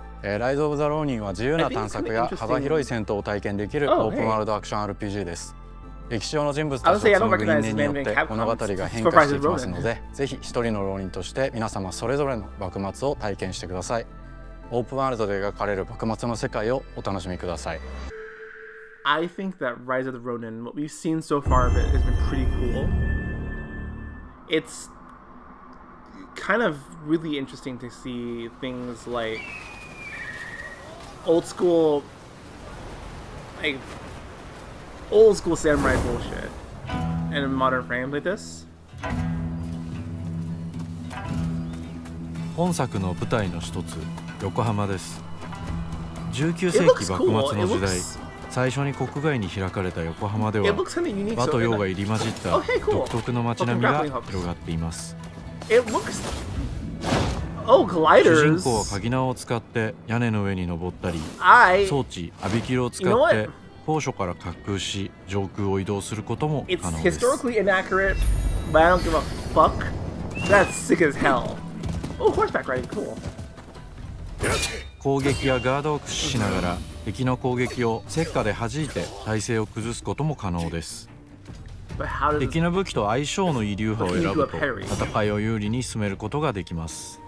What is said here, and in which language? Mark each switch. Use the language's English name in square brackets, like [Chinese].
[Japanese] ライズ・オブ・ザ・ローニンは自由な探索や幅広い戦闘を体験できるオープンワールドアクション RPG です。歴史上の人物たちを紡ぐ因縁によって物語が変化していきますので、ぜひ一人のローニンとして皆様それぞれの幕末を体験してください。オープンワールドで描かれる幕末の世界をお楽しみください。 [English] I think that Rise of the Ronin, what we've seen so far of it has been pretty cool. It's kind of really interesting to see things likeold school samurai bullshit in a modern frame like this. [Japanese] 本作の舞台の一つ横浜です。19世紀幕末の時代、最初に国外に開かれた横浜では、和と洋が入り混じった独特の街並みが広がっています。 [English] Oh, gliders. [Japanese] 主人公は鍵縄を使って屋根の上に登ったり、装置アビキルを使って高所から滑空し上空を移動することも可能です。 [English] It's historically inaccurate, but I don't give a fuck. That's sick as hell. Oh, horseback riding, cool. [Japanese] 攻撃やガードを駆使しながら敵の攻撃を石火で弾いて体勢を崩すことも可能です。敵の武器と相性のいい流派を選ぶと戦いを有利に進めることができます。